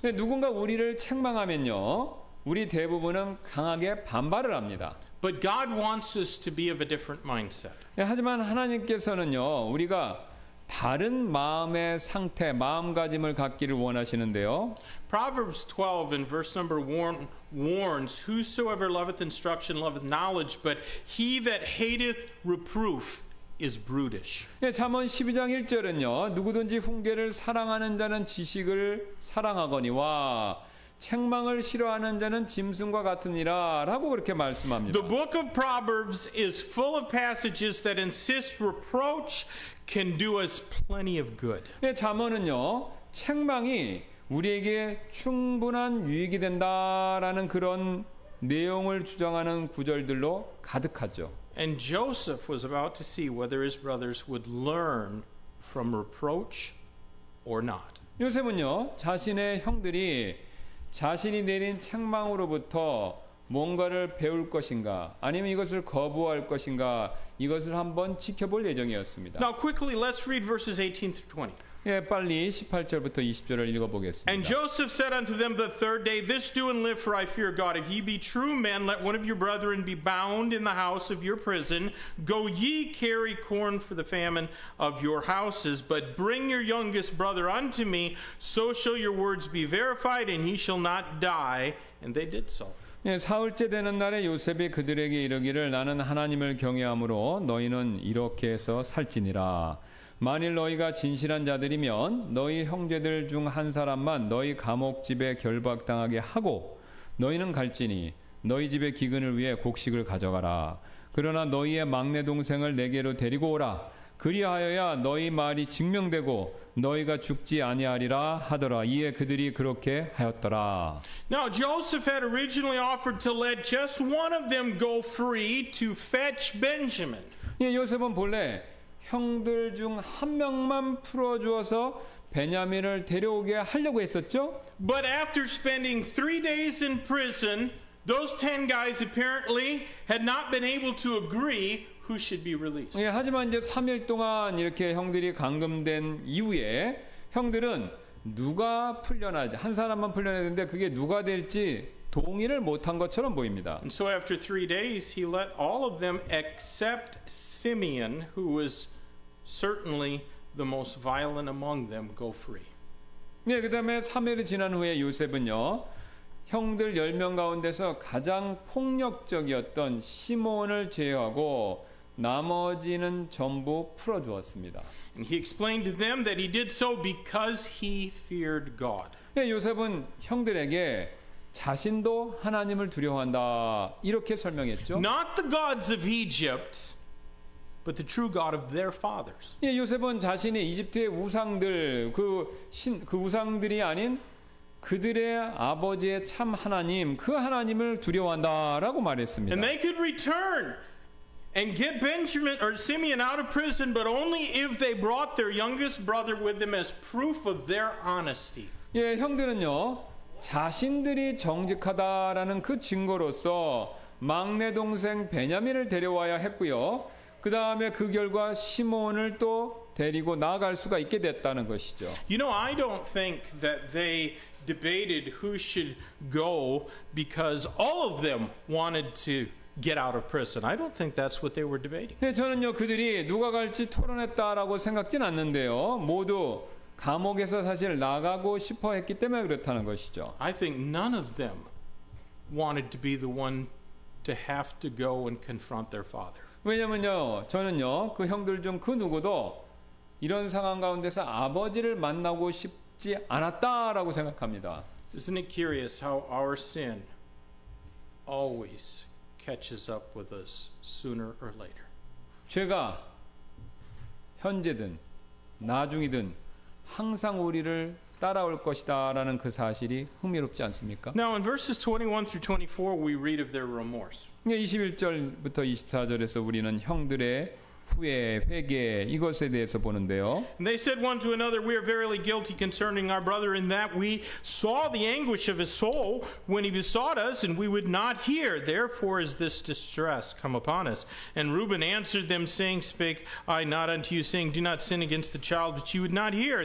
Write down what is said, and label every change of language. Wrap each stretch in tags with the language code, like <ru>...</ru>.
<ko>예, 누군가 우리를 책망하면요. 우리 대부분은 강하게 반발을 합니다.</ko> <en>But God wants us to be of a different mindset.</en> <ko>예, 하지만 하나님께서는요, 우리가 다른 마음의 상태, 마음가짐을 갖기를 원하시는데요.</ko> <en>Proverbs 12 and verse number 1 warns, "Whosoever loveth instruction loveth knowledge, but he that hateth reproof is brutish."</en> <ko>예, 잠언 12장 1절은요, 누구든지 훈계를 사랑하는 자는 지식을 사랑하거니와 책망을 싫어하는 자는 짐승과 같으니라 라고 그렇게 말씀합니다.</ko> <en>The book of Proverbs is full of passages that insist reproach can do us plenty of good.</en> <ko>예, 잠언은요, 책망이 우리에게 충분한 유익이 된다라는 그런 내용을 주장하는 구절들로 가득하죠.</ko> <en>And Joseph was about to see whether his brothers would learn from reproach or not.</en> <ko>요셉은요, 자신의 형들이 자신이 내린 책망으로부터 뭔가를 배울 것인가 아니면 이것을 거부할 것인가 이것을 한번 지켜볼 예정이었습니다.</ko> <en>Now quickly let's read verses 18 through 20.</en> <ko>예, 빨리 18절부터 20절을 읽어보겠습니다.</ko> <en>And Joseph said unto them the third day, "This do and live, for I fear God. If ye be true men, let one of your brethren be bound in the house of your prison. Go ye carry corn for the famine of your houses, but bring your youngest brother unto me, so shall your words be verified, and he shall not die." And they did so.</en> <ko>예, 사흘째 되는 날에 요셉이 그들에게 이르기를 나는 하나님을 경외함으로 너희는 이렇게 해서 살지니라. 만일 너희가 진실한 자들이면 너희 형제들 중 한 사람만 너희 감옥집에 결박당하게 하고 너희는 갈지니 너희 집에 기근을 위해 곡식을 가져가라. 그러나 너희의 막내 동생을 내게로 데리고 오라. 그리하여야 너희 말이 증명되고 너희가 죽지 아니하리라 하더라. 이에 그들이 그렇게 하였더라.</ko> <en>Now Joseph had originally offered to let just one of them go free to fetch Benjamin.</en> <ko>예, 요셉은 본래 형들 중 한 명만 풀어주어서 베냐민을 데려오게 하려고 했었죠.</ko> <en>But after spending 3 days in prison, those 10 guys apparently had not been able to agree who should be released.</en> <ko>예, 하지만 이제 3일 동안 이렇게 형들이 감금된 이후에 형들은 누가 풀려나지 한 사람만 풀려나는데 그게 누가 될지 동의를 못한 것처럼 보입니다.</ko> <en>And so after 3 days, he let all of them except Simeon, who was certainly the most violent among them, go free.</en> <ko>네, 그다음에 3일이 지난 후에 요셉은요, 형들 10명 가운데서 가장 폭력적이었던 시몬을 제외하고 나머지는 전부 풀어주었습니다.</ko> <en>And he explained to them that he did so because he feared God.</en> <ko>네, 요셉은 형들에게 자신도 하나님을 두려워한다 이렇게 설명했죠.</ko> <en>Not the gods of Egypt, but the true God of their fathers.</en> <ko>예, 요셉은 자신이 이집트의 우상들 그 우상들이 아닌 그들의 아버지의 참 하나님 그 하나님을 두려워한다라고 말했습니다.</ko> <en>And they could return and get Benjamin or Simeon out of prison, but only if they brought their youngest brother with them as proof of their honesty.</en> <ko>예, 형들은요. 자신들이 정직하다라는 그 증거로서 막내 동생 베냐민을 데려와야 했고요. 그 다음에 그 결과 시몬을 또 데리고 나아갈 수가 있게 됐다는 것이죠.</ko> <en>You know, I don't think that they debated who should go because all of them wanted to get out of prison. I don't think that's what they were debating.</en> <ko>네, 저는요 그들이 누가 갈지 토론했다라고 생각진 않는데요. 모두 감옥에서 사실 나가고 싶어 했기 때문에 그렇다는 것이죠.</ko> <en>I think none of them wanted to be the one to have to go and confront their father.</en> <ko>왜냐면요, 저는요, 그 형들 중 그 누구도 이런 상황 가운데서 아버지를 만나고 싶지 않았다라고 생각합니다.</ko> <en>Isn't it curious how our sin always catches up with us sooner or later?</en> <ko>죄가 현재든 나중이든 항상 우리를 따라올 것이다라는 그 사실이 흥미롭지 않습니까?</ko> <en>Now in verses 21 through 24 we read of their remorse.</en> <ko>네, 21절부터 24절에서 우리는 형들의 후회, 회개 이것에 대해서 보는데요.</ko> <en>And they said one to another, we are verily guilty concerning our brother in that we saw the anguish of his soul when he besought us and we would not hear. Therefore is this distress come upon us. And Reuben answered them saying, spake I not unto you saying, do not sin against the child, but you would not hear.</en>